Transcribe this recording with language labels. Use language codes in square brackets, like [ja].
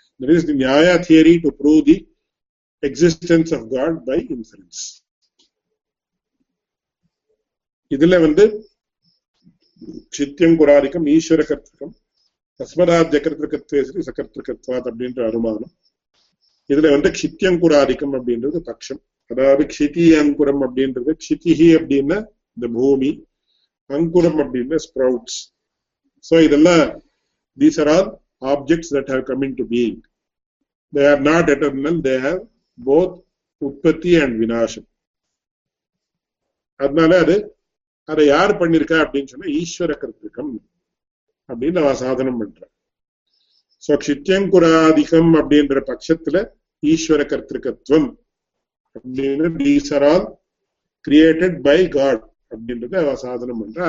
[en] That is the Nyaya theory to prove the existence of God by inference. [ta] இதிலே வந்து சித்தியம் குராதிக்கம் ஈஸ்வர கர்த்திருக்கம் அஸ்மதாத்திய கர்த்திருக்கத்வே சரி சகர்த்திருக்கத்வாத் அப்படின்ற அனுமானம். இதுல வந்து சித்தியம் குராதிக்கம் அப்படின்றது பட்சம், அதாவது க்ஷிதி அங்குரம் அப்படின்றது க்ஷிதிஹி அப்படின்னா இந்த பூமி, அங்குரம் அப்படின்னா ஸ்ப்ரவுட்ஸ். [en] So இதெல்லாம் these are all objects that have come into being. They are not eternal, they have both utpatti and vinasham. [ta] அதனாலே அது அதை யார் பண்ணியிருக்கா அப்படின்னு சொன்னா ஈஸ்வர கர்த்திருக்கம் அப்படின்னு நான் சாதனம் பண்றேன். சோ சித்தியங்குராதிகம் அப்படின்ற பட்சத்துல ஈஸ்வர கர்த்திருக்கத்துவம் அப்படின்னு [en] these are all created by God [ta] அப்படின்றத அவன் சாதனம் பண்றான்.